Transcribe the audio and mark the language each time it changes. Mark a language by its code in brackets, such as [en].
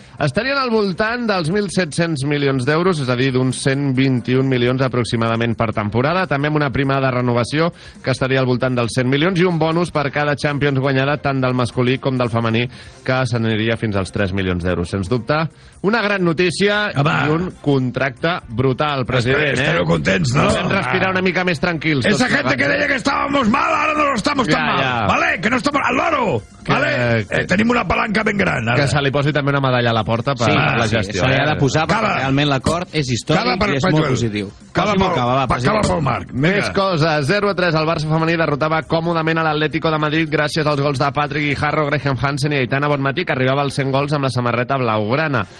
[ca] Estarien al voltant dels 1.700 milions d'euros, és a dir, d'uns 121 milions aproximadament per temporada, també amb una prima de renovació que estaria al voltant dels 100 milions i un bonus per cada Champions guanyada, tant del masculí com del femení, que s'aniria fins als 3 milions d'euros. Sens dubte, una gran notícia. Home. I un contracte brutal, president. Estareu contents, no? Podem respirar una mica més tranquils. [es] Esa gente que deia que estábamos mal, ahora no lo estamos tan mal. Vale, que [ca] que no està al loro. Vale? Tenim una palanca ben gran. Ara. Que se li posi també una medalla a la porta per la gestió. Se li ha de posar perquè realment l'acord és històric i és molt positiu. Cala pel Marc. Més coses. 0-3, el Barça femení derrotava còmodament a l'Atlético de Madrid gràcies als gols de Patrick Guijarro, Graham Hansen i Aitana Bonmatí, que arribava als 100 gols amb la samarreta blaugrana.